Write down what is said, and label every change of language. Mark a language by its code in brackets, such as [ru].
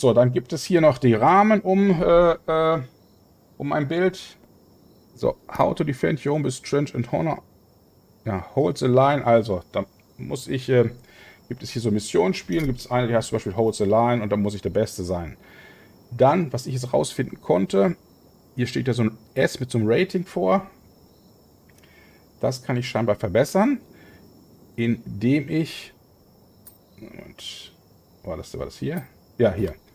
[de] So, dann gibt es hier noch die Rahmen um ein Bild. [en] So, how to defend your own with strength and honor. Ja, hold the line. [de] Also, dann muss ich, gibt es hier so Missionen spielen. Gibt es eine, die heißt zum Beispiel hold the line und dann muss ich der Beste sein. Dann, was ich jetzt rausfinden konnte, hier steht ja so ein S mit so einem Rating vor. Das kann ich scheinbar verbessern, indem ich... Moment. War das hier? Ja, hier.